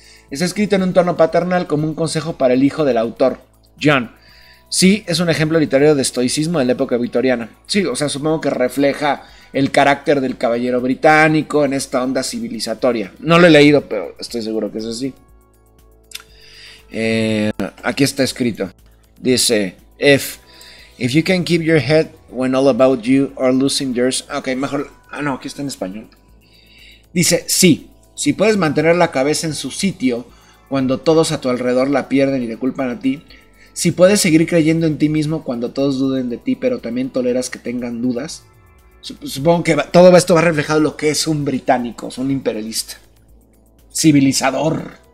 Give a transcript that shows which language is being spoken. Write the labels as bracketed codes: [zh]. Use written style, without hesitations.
[es] Es escrito en un tono paternal como un consejo para el hijo del autor, John. Sí, es un ejemplo literario de estoicismo de la época victoriana. Sí, o sea, supongo que refleja el carácter del caballero británico en esta onda civilizatoria. No lo he leído, pero estoy seguro que es así. Aquí está escrito. Dice, [en] if you can keep your head when all about you are losing yours. [es] Ok, mejor. Ah, no, aquí está en español. Dice, sí, si puedes mantener la cabeza en su sitio cuando todos a tu alrededor la pierden y te culpan a ti. Si puedes seguir creyendo en ti mismo cuando todos duden de ti, pero también toleras que tengan dudas. Supongo que todo esto va reflejado en lo que es un británico, es un imperialista. Civilizador.